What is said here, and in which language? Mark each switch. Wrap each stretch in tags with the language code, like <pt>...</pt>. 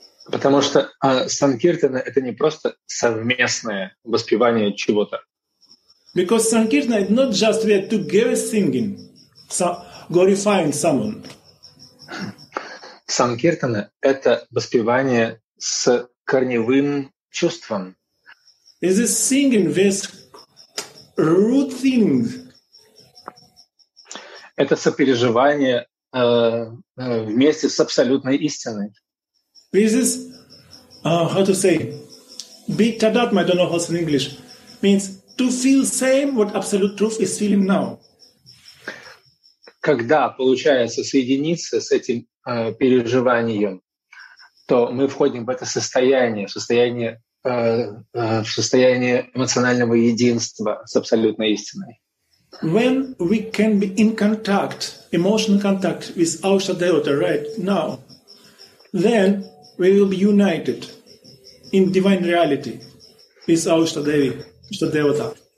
<ru>Потому что санкиртана это не просто совместное воспевание чего-то.</ru> <en>Because sankirtana is not just we are together singing, glorifying someone.</en> <ru>Санкиртана это воспевание с корневым чувством.</ru> <en>Is this singing with root things?</en> <ru>Это сопереживание вместе с абсолютной истиной.</ru> <en>This is how to say bitadatma, I don't know how it's in English, means to feel same what absolute truth is feeling now.</en> <ru>Когда получается соединиться с этим переживанием, то мы входим в это состояние, в состояние эмоционального единства с абсолютной истиной.</ru> <en>When we can be in contact, emotional contact with Ausha Devata right now, then we will be united in divine reality with Ausha Devi, Ausha Devata.</en>